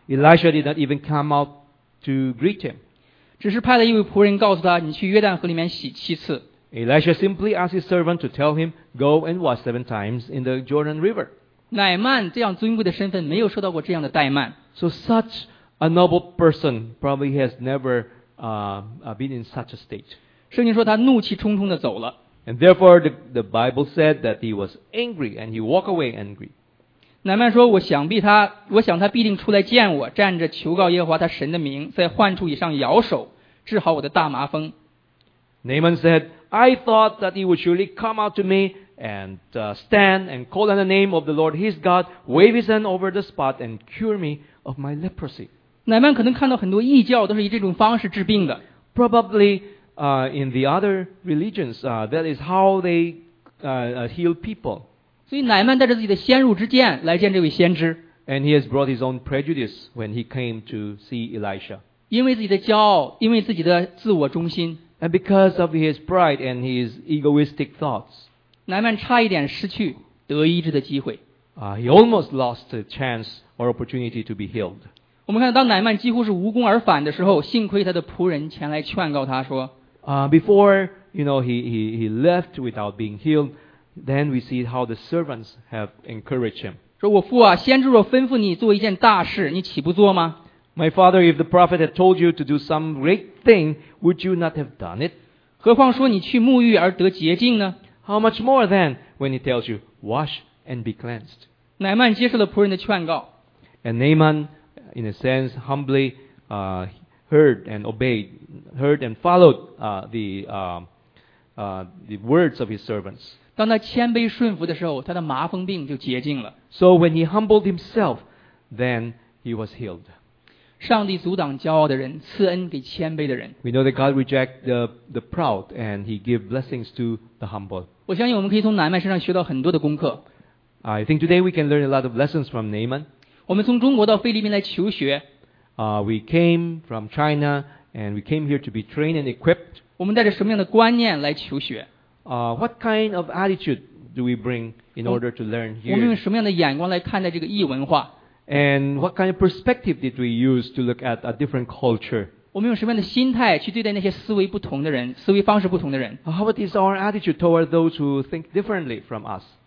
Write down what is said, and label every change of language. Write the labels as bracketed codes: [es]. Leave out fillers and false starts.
[en] Elisha did not even come out to greet him. [zh] 只是派了一位仆人告诉他，你去约旦河里面洗七次。 [en] Elisha simply asked his servant to tell him, go and wash seven times in the Jordan River. [zh] 乃曼这样尊贵的身份没有受到过这样的怠慢。 [en] So such a noble person probably has never been in such a state. [zh] 圣经说他怒气冲冲地走了。 [en] And therefore the Bible said that he was angry and he walked away angry. [zh] 乃曼说我想他必定出来见我，站着求告耶和华他神的名，在患处以上摇手，治好我的大麻风。 [en] Naaman said,I thought that he would surely come out to me and stand and call on the name of the Lord his God, wave his hand over the spot and cure me of my leprosy. [zh] 乃曼可能看到很多异教都是以这种方式治病的。 [en] Probably in the other religions, that is how they heal people. [zh] 所以乃曼带着自己的先入之见来见这位先知。 [en] And he has brought his own prejudice when he came to see Elisha. [zh] 因为自己的骄傲，因为自己的自我中心。 [en] And because of his pride and his egoistic thoughts, [zh] 乃曼差一点失去得医治的机会。 [en] He almost lost the chance or opportunity to be healed. [zh] 我们看到当乃曼几乎是无功而返的时候，幸亏他的仆人前来劝告他说。 [en] Before he left without being healed, then we see how the servants have encouraged him. [zh] 说我父啊，先知若吩咐你做一件大事，你岂不做吗？ [en] My father, if the prophet had told you to do some great thing, would you not have done it? [zh] 何况说你去沐浴而得洁净呢？ [en] How much more then when he tells you, wash and be cleansed? [zh] 乃曼接受了仆人的劝告。 [en] And Naaman, in a sense, humbly heard and followed the words of his servants. [zh] 当他谦卑顺服的时候，他的麻风病就洁净了。 [en] So when he humbled himself, then he was healed. [zh] 上帝阻挡骄傲的人，赐恩给谦卑的人。 [en] We know that God rejects the proud and He gives blessings to the humble. [zh] 我相信我们可以从乃曼身上学到很多的功课。 [en] I think today we can learn a lot of lessons from Naaman. [zh] 我们从中国到菲律宾来求学。 [en] We came from China and we came here to be trained and equipped. [zh] 我们带着什么样的观念来求学？ [en] What kind of attitude do we bring in order to learn here? [zh] 我们用什么样的眼光来看待这个异文化？ [en] And what kind of perspective did we use to look at a different culture? [zh] 我们用什么样的心态去对待那些思维不同的人，思维方式不同的人？ [en] How is our attitude toward those who think differently from us?